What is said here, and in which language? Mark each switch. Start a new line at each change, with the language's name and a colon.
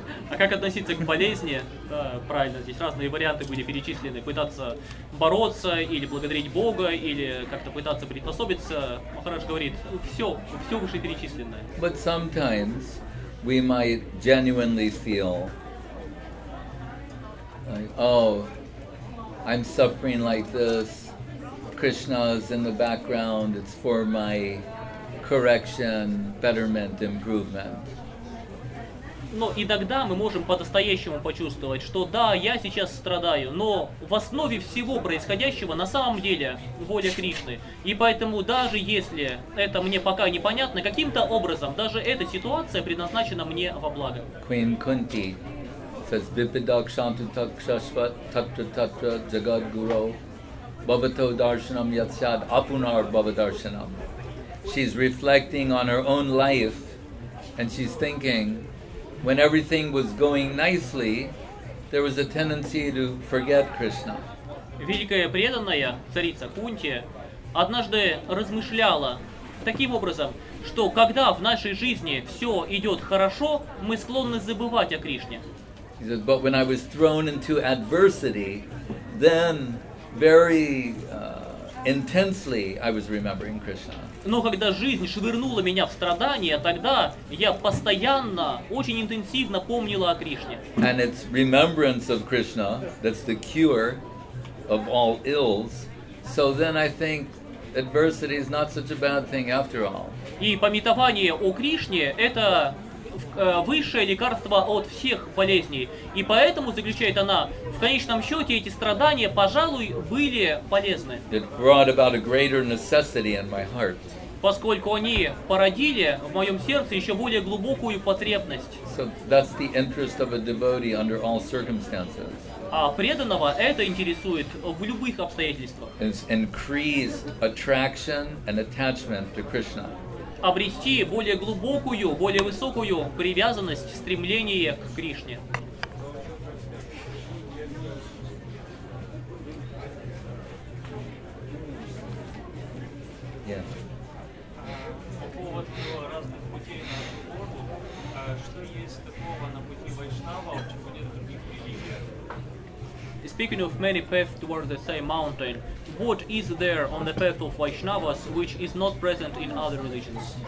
Russian: А как относиться к болезни? Правильно, здесь разные варианты были перечислены. Пытаться бороться или благодарить Бога или как-то пытаться приспособиться. Махарадж говорит, все выше перечисленное.
English: But sometimes we might genuinely feel like, oh, I'm suffering like this. Krishna's in the background. It's for my correction, betterment, improvement.
Russian: Но иногда мы можем по-настоящему почувствовать, что да, я сейчас страдаю, но в основе всего происходящего на самом деле воля Кришны. И поэтому даже если это мне пока непонятно, каким-то образом даже эта ситуация предназначена мне во благо.
English: Queen Kunti says,
Sanskrit: Vipidakshantu takshashvat tatra tatra jagadguro bhavato darshanam yatsyad apunar bhavadarshanam.
English: She's reflecting on her own life and she's thinking, when everything was going nicely, there was a tendency to forget Krishna.
Russian: Великая преданная царица Кунти однажды размышляла таким образом, что когда в нашей жизни все идет хорошо, мы склонны забывать о Кришне.
English: She said, but when I was thrown into adversity, then very intensely I was remembering Krishna.
Russian: Но когда жизнь швырнула меня в страдания, тогда я постоянно, очень интенсивно помнила о Кришне.
English: And it's remembrance of Krishna that's the cure of all ills. So then I think adversity is not such a bad thing after all.
Russian: И памятование о Кришне — это высшее лекарство от всех болезней. И поэтому, заключает она, в конечном счете эти страдания, пожалуй, были полезны.
English: It brought about a greater necessity in my heart.
Russian: Поскольку они породили в моем сердце еще более глубокую потребность.
English: So that's the interest of a devotee under all circumstances.
Russian: А преданного это интересует в любых обстоятельствах.
English: It's increased attraction and attachment to Krishna.
Russian: Обрести более глубокую, более высокую привязанность, стремление к Кришне.
English: Yes.
Russian: По поводу разных путей на Гуру, что есть такого на пути Вайшнава, чего нет в других религиях?
English: Speaking of many paths towards the same mountain, what is there on the path of Vaishnavas which is not present in other religions?